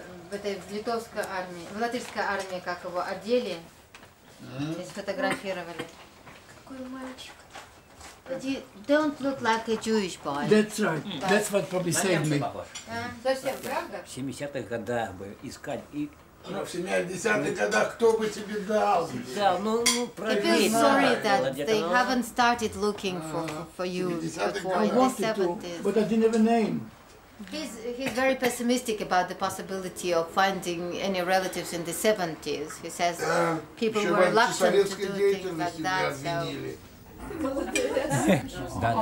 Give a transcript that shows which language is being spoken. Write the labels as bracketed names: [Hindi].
[Russian] В этой литовской армии, в латышской армии, как его одели, и сфотографировали. Какой мальчик. [English] But you don't look like a Jewish boy. That's right. Mm. That's what probably saved me. [Russian] Совсем правда? В 70-х годах бы искать и... Но в 70-х годах кто бы тебе дал? Да, ну проверь. [English] I feel sorry that they haven't started looking for you before in the 70s. But I didn't have a name. He's very pessimistic about the possibility of finding any relatives in the 70s. He says people were reluctant to do things like that, so...